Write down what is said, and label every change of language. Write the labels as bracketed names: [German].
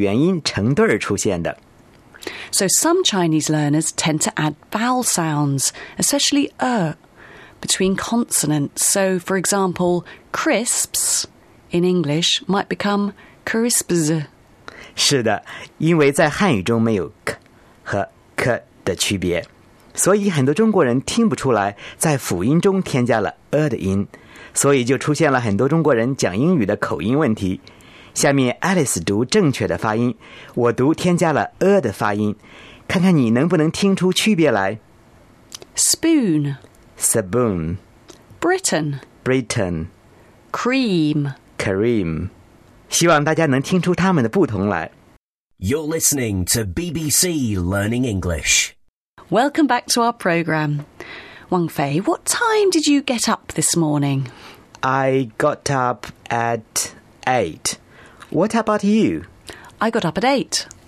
[Chinese] 汉语中没有辅音群，我们汉语中都是辅音和元音成对儿出现的。 [English] So some Chinese learners tend to add vowel sounds, especially er, between consonants. So, for example, crisps in English might become crisps. [Chinese] 是的，因为在汉语中没有 k 和可的区别，所以很多中国人听不出来在辅音中添加了呃的音，所以就出现了很多中国人讲英语的口音问题。下面Alice读正确的发音，我读添加了呃的发音，看看你能不能听出区别来。 [English] Spoon, spoon, Britain, Britain, cream, Kareem. [Chinese] 希望大家能听出他们的不同来。 [English] You're listening to BBC Learning English. Welcome back to our program. Wang Fei, what time did you get up this morning? I got up at 8. What about you? I got up at 8.